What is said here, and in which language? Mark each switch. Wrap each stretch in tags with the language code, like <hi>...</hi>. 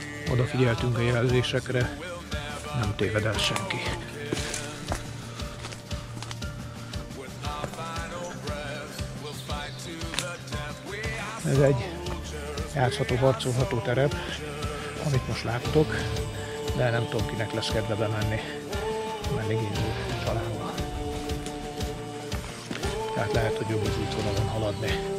<hu>Odafigyeltünk a jelzésekre, nem téved el senki.</hu> <en>With our final breath, we'll fight to the death.</en> <hu>ez egy játszható, harcolható terep, amit most láttok, de nem tudom, kinek lesz kedve bemenni, mert igényű családban. Tehát lehet, hogy jobb az útvonalon haladni.</hu>